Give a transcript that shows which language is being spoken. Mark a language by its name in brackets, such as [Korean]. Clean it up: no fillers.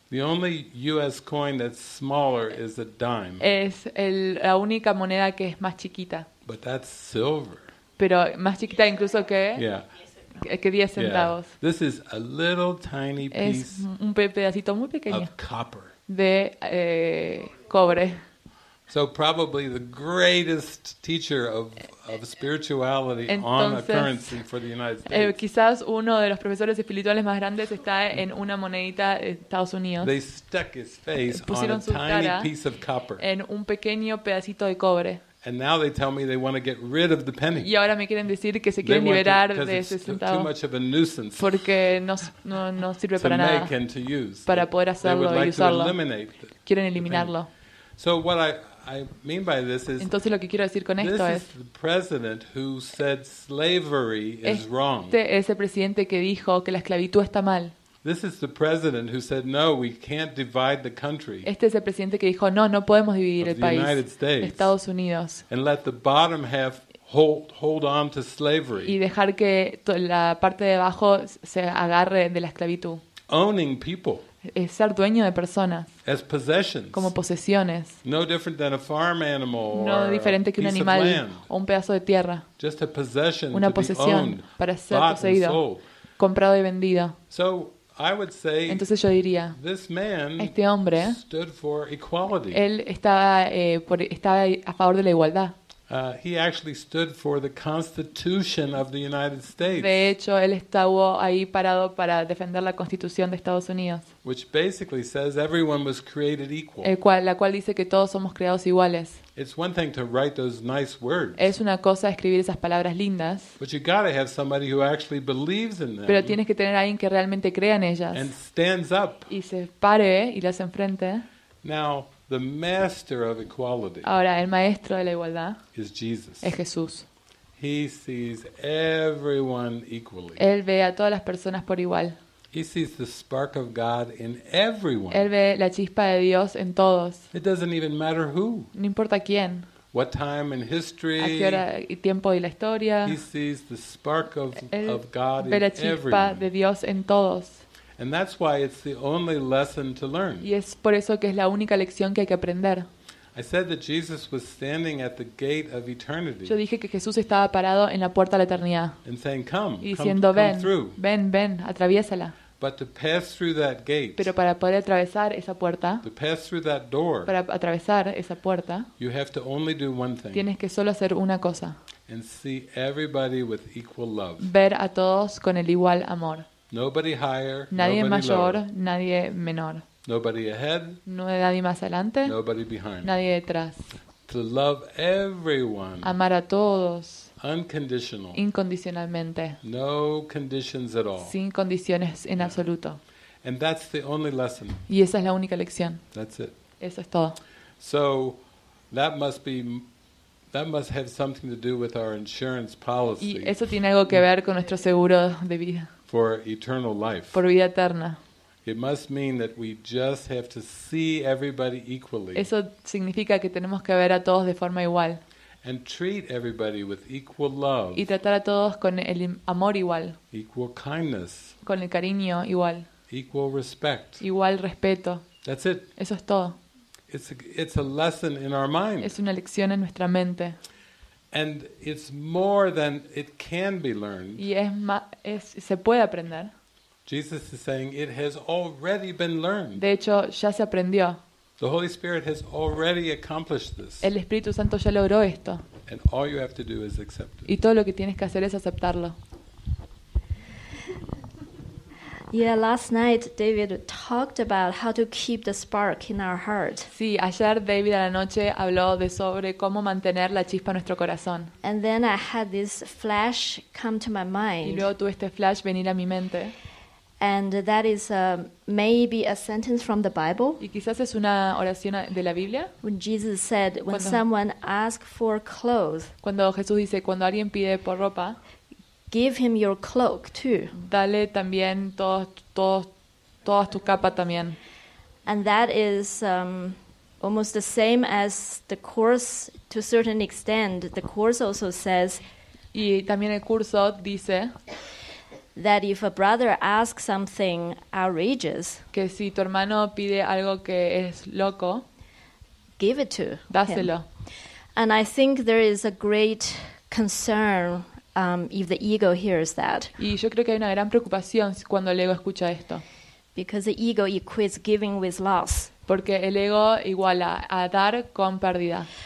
[English] The only US coin that's smaller is a dime. [Spanish] Es la única moneda que es más chiquita. [English] But that's silver. [Spanish] Pero más chiquita incluso que [English] yeah. [Spanish] que 10 centavos. [English] Yeah. This is a little tiny piece. [Spanish] Es un pedacito muy pequeño. [English] Of copper. [Spanish] De cobre. [English] So probably the greatest teacher of spirituality. [Spanish] Entonces, [English] on a currency for the United States. [Spanish] Quizás uno de los profesores espirituales más grandes está en una monedita de Estados Unidos. [English] They stuck his face [Spanish] pusieron [English] on a tiny piece of copper. [Spanish] En un pequeño pedacito de cobre. [English] And now they tell me they want to get rid of the penny. [Spanish] Y ahora me quieren decir que se quieren liberar de ese centavo. [English] Too much of a nuisance. [Spanish] Porque no sirve [English] to [Spanish] para [English] make [Spanish] nada. [English] And to use. [Spanish] Para poder hacerlo [English] they would [Spanish] y usarlo. [English] Like to eliminate the [Spanish] quieren eliminarlo. [English] Penny. So what I mean by this is, [Spanish] entonces lo que quiero decir con esto [English] es, the president who said slavery is wrong. [Spanish] Este es el presidente que dijo que la esclavitud está mal. [English] This is the president who said no, we can't divide the country. [Spanish] Este es el presidente que dijo no podemos dividir el país. [English] United States, [Spanish] Estados Unidos. [English] And let the bottom half hold on to slavery. [Spanish] Y dejar que la parte de abajo se agarre de la esclavitud. [English] Owning people. [Spanish] Es ser dueño de personas. [English] As possessions. [Spanish] Como posesiones. [English] No different than a farm animal. [Spanish] No diferente que un animal o un pedazo de tierra. [English] Just a possession. [Spanish] Una posesión [English] to be owned, [Spanish] para ser poseído, comprado y vendido. [English] So I would say, [Spanish] entonces yo diría, [English] this man, [Spanish] este hombre, [English] stood for equality. [Spanish] Él estaba, estaba a favor de la igualdad. [English] He actually stood for the Constitution of the United States. [Spanish] De hecho, él estuvo ahí parado para defender la Constitución de Estados Unidos. [English] Which basically says everyone was created equal. [Spanish] La cual dice que todos somos creados iguales. [English] It's one thing to write those nice words. [Spanish] Es una cosa escribir esas palabras lindas. [English] But you gotta have somebody who actually believes in them. [Spanish] Pero tienes que tener a alguien que realmente crea en ellas. [English] And stands up. [Spanish] Y se pare y las enfrente. [English] Now. The master of equality. [Spanish] Ahora, el maestro de la igualdad [English] is Jesus. [Spanish] Es Jesús. [English] He sees everyone equally. [Spanish] Él ve a todas las personas por igual. [English] He sees the spark of God in everyone. [Spanish] Él ve la chispa de Dios en todos. [English] It doesn't even matter who. [Spanish] No importa quién. [English] What time in history? [Spanish] A qué hora y tiempo de la historia. [English] He sees the spark of God in everyone. [Spanish] Ve la chispa de Dios en todos. [English] And that's why it's the only lesson to learn. [Spanish] Y es por eso que es la única lección que hay que aprender. [English] I said that Jesus was standing at the gate of eternity. [Spanish] Yo dije que Jesús estaba parado en la puerta de la eternidad. [English] And saying, "Come, [Spanish] y diciendo, [English] come, come through." [Spanish] Ven, atraviésala. [English] But to pass through that gate. [Spanish] Pero para poder atravesar esa puerta. [English] To pass through that door. [Spanish] Para atravesar esa puerta. [English] You have to only do one thing. [Spanish] Tienes que solo hacer una cosa. [English] And see everybody with equal love. [Spanish] Ver a todos con el igual amor. [English] Nobody higher, [Spanish] nadie [English] nobody [Spanish] mayor, [English] lower. [Spanish] Nadie menor. [English] Nobody ahead, [Spanish] nadie más adelante. [English] Nobody behind, [Spanish] nadie detrás. [English] To love everyone, [Spanish] amar a todos. [English] Unconditional, [Spanish] incondicionalmente. [English] No conditions at all, [Spanish] sin condiciones en absoluto. [English] And that's the only lesson. [Spanish] Y esa es la única lección. [English] That's it. [Spanish] Eso es todo. [English] So that must have something to do with our insurance policy. [Spanish] Y eso tiene algo que ver con nuestro seguro de vida. [English] For eternal life. [Spanish] Por vida eterna. [English] It must mean that we just have to see everybody equally. [Spanish] Eso significa que tenemos que ver a todos de forma igual. [English] And treat everybody with equal love. [Spanish] Y tratar a todos con el amor igual. [English] Equal kindness. [Spanish] Con el cariño igual. [English] Equal respect. [Spanish] Igual respeto. [English] That's it. [Spanish] Eso es todo. [English] It's a lesson in our mind. [Spanish] Es una lección en nuestra mente. [English] And it's more than it can be learned. [Spanish] Y es más, se puede aprender. [English] Jesus is saying it has already been learned. [Spanish] De hecho, ya se aprendió. [English] The Holy Spirit has already accomplished this. [Spanish] El Espíritu Santo ya logró esto. [English] And all you have to do is accept it. [Spanish] Y todo lo que tienes que hacer es aceptarlo. [English] Yeah, last night David talked about how to keep the spark in our heart. [Spanish] Sí, ayer David a la noche habló de sobre cómo mantener la chispa en nuestro corazón. [English] And then I had this flash come to my mind. [Spanish] Y luego tuve este flash venir a mi mente. [English] And that is maybe a sentence from the Bible. [Spanish] Y quizás es una oración de la Biblia. [English] When Jesus said, when someone asks for clothes. [Spanish] Cuando Jesús dice cuando alguien pide por ropa. [English] Give him your cloak too. [Spanish] Dale también todas tus capas también. [English] And that is almost the same as the course. To a certain extent, the course also says. [Spanish] Y también el curso dice. [English] That if a brother asks something outrageous. [Spanish] Que si tu hermano pide algo que es loco. [English] Give it to. [Spanish] Dáselo. [English] Him. And I think there is a great concern. If the ego hears that. [Spanish] Y yo creo que hay una gran preocupación cuando el ego escucha esto. [English] Because the ego equates giving with loss. [Spanish] Porque el ego iguala a dar con pérdida.